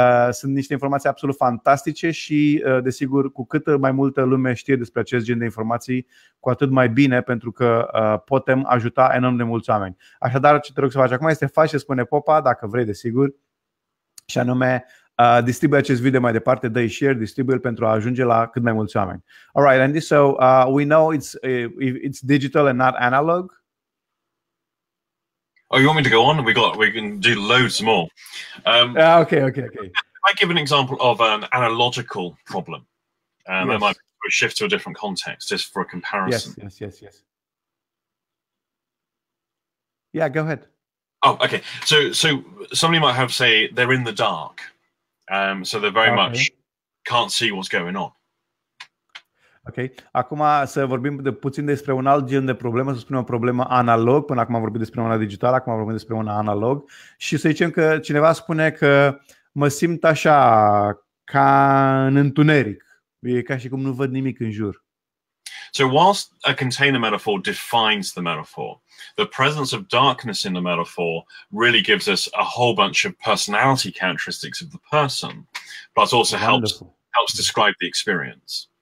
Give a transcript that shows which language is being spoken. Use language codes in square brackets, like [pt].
[ro] Sunt niște informații absolut fantastice și, desigur, cu cât mai multă lume știe despre acest gen de informații, cu atât mai bine, pentru că putem ajuta enorm de mulți oameni. Așadar, ce te rog să faci acum este faci ce spune Popa, dacă vrei, desigur, și anume, distribuie acest video mai departe, dă-i share, distribuie-l pentru a ajunge la cât mai mulți oameni. [en] All right, Andy, so we know it's digital and not analog. Oh, you want me to go on? We can do loads more. Okay. I give an example of an analogical problem. Yes. That might be we shift to a different context just for a comparison. Yes. Yeah, go ahead. Oh, okay. So somebody might have, say, they're in the dark. So they're very much can't see what's going on. Ok. [ro] Acum să vorbim de puțin despre un alt gen de problemă, să spunem o problemă analog. Până acum am vorbit despre una digitală, acum vorbim despre una analog. Și să zicem că cineva spune că mă simt așa, ca în întuneric. E ca și cum nu văd nimic în jur. [en] So whilst a container metaphor defines the metaphor, the presence of darkness in the metaphor really gives us a whole bunch of personality characteristics of the person, but also helps describe the experience.